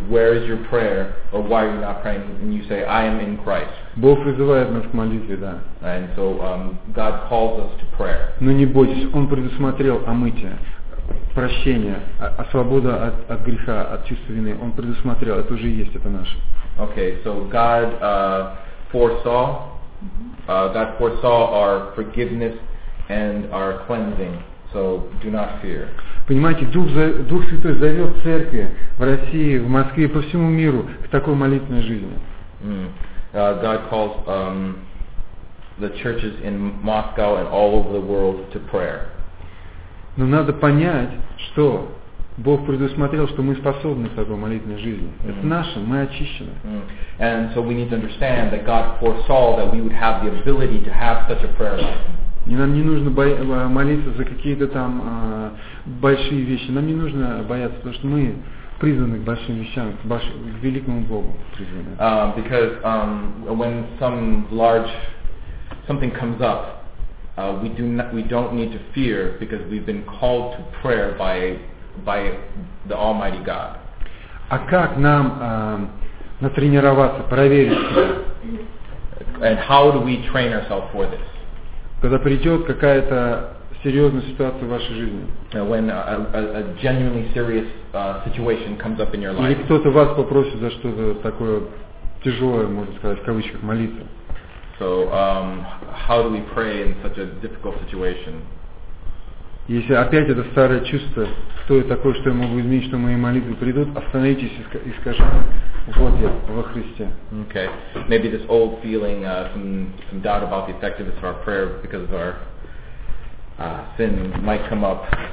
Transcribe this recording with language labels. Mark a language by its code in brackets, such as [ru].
[en] Where is your prayer? Or why are you not praying? And you say, I am in Christ. [ru] Бог призывает нас к молитве, да. [en] And so God calls us to prayer. [ru] Но не бойтесь, Он предусмотрел омытие, прощение, освобода от греха, от чувства вины. Он предусмотрел, это уже есть, это наше. [en] Okay, so God foresaw, God foresaw our forgiveness and our cleansing. So do not fear. [ru] Понимаете, Дух Святой зовет церкви в России, в Москве, по всему миру к такой молитвенной жизни. [en] God calls the churches in Moscow and all over the world to prayer. [ru] Но надо понять, что Бог предусмотрел, что мы способны к такой молитвенной жизни. Это наше, мы очищены. [en] And so we need to understand that God foresaw that we would have the ability to have such a prayer life. [ru] И нам не нужно молиться за какие-то там большие вещи. Нам не нужно бояться, потому что мы призваны к большим вещам, к великому Богу призваны. [en] Because when some large something comes up, we don't need to fear because we've been called to prayer by the Almighty God. [ru] А как нам натренироваться, проверить? [en] And how do we train ourselves for this? [ru] Когда придет какая-то серьезная ситуация в вашей жизни. [en] When a genuinely serious situation comes up in your life. [ru] Или кто-то вас попросит за что-то такое тяжелое, можно сказать, в кавычках, молиться. [en] So, how do we pray in such a difficult situation? [ru] Если опять это старое чувство, кто я такой, что я могу изменить, что мои молитвы придут, остановитесь и скажите, вот я, во Христе. [en] Okay. Maybe this old feeling, some doubt about the effectiveness of our prayer because of our sin might come up.